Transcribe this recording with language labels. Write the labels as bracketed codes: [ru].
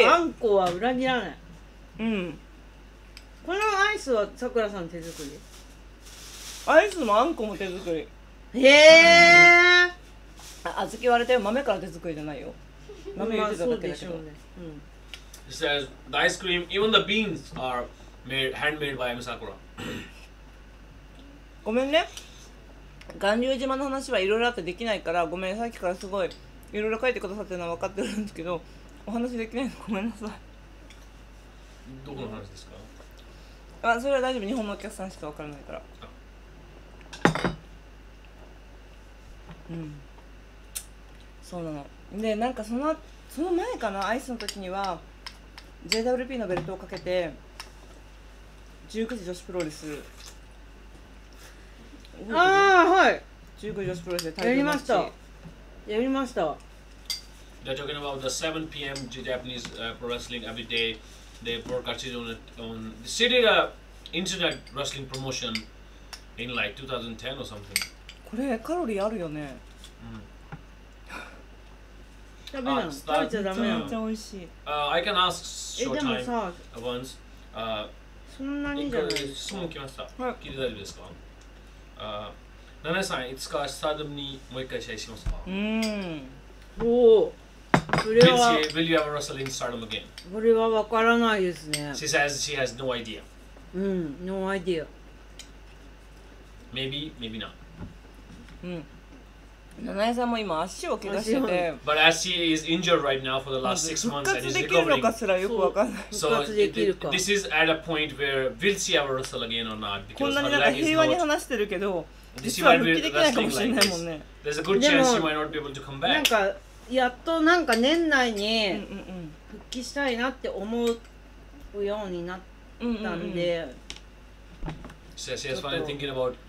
[ja] きなことあんこは裏切らない。うん。このアイスはさくらさん手作り？アイスもあんこも手作り。へぇー。あずき割れたよ、豆から手作りじゃないよ。豆入れてただけだけど。まあ、そうでしょうね。うん。 [en] It says, the ice cream, even the beans are made, handmade by M. Sakura. [ja] ごめんね。巌流島の話はいろいろあってできないから、ごめん、さっきからすごいいろいろ書いてくださってるのは分かってるんですけど、お話できないのごめんなさい。どこの話ですか？あ、それは大丈夫、日本のお客さんしか分からないから。うん、そうなの。で、なんかその前かな、アイスの時には JWP のベルトをかけて19時女子プロレス、あーはい、 19時女子プロレスでタイトルマッチやりました、やりました。 [en] They're talking about the 7pm Japanese pro wrestling every day. They broadcast it on the city internet wrestling promotionin like 2010 or something. [ja] これカロリーあるよね。うん。食べない。食べちゃダメ。めっちゃ美味しい。 [en] I can ask short time once. [ja] そんなにじゃない。質問来ました。聞いて大丈夫ですか？ナナさん、いつかスタジアムにもう一回試合しますか？うん。おお。それは。 [en] Will you ever wrestle in stardom again? [ja] これはわからないですね。 [en] She says she has no idea. うん、no idea. Maybe, maybe not. [ja] うん。ナナエさんも今足を怪我してて。 [en] But as she is injured right now for the last six months and is recovering. [ja] 復活できるのかすらよくわかんない。復活できるか。 [en] This is at a point where will she ever wrestle again or not? [ja] こんなになんか平和に話してるけど、実は復帰できないかもしれないもんね。 [en] There's a good chance she might not be able to come back. [ja] なんかやっとなんか年内に復帰したいなって思うようになったんで。 [en] She has finally thinking about